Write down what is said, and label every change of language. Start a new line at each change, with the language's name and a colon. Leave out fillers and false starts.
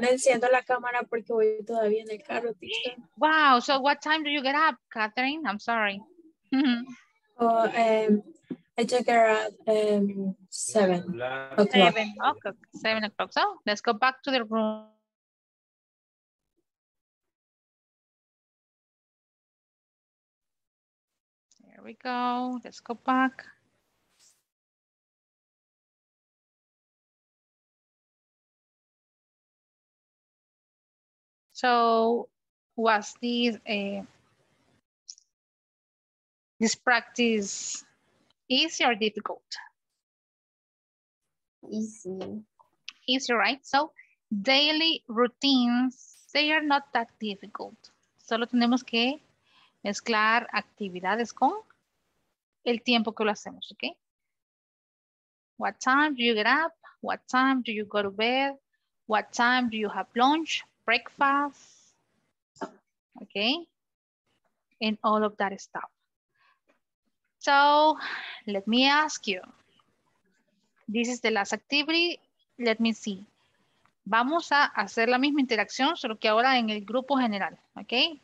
Spanish: Me enciendo la cámara porque voy todavía en el carro.
English: Wow, so what time do you get up, Catherine? I'm sorry. I check at 7 o'clock. 7 o'clock. 7 o'clock. So let's go back to the room. There we go. Let's go back. So was this practice easy or difficult? Easy. Easy, right? So daily routines, they are not that difficult.
Spanish: Solo tenemos que mezclar actividades con el tiempo que lo hacemos, okay?
English: What time do you get up? What time do you go to bed? What time do you have lunch? Breakfast, okay, and all of that stuff. So let me ask you, this is the last activity, let me see.
Spanish: Vamos a hacer la misma interacción, solo que ahora en el grupo general, okay?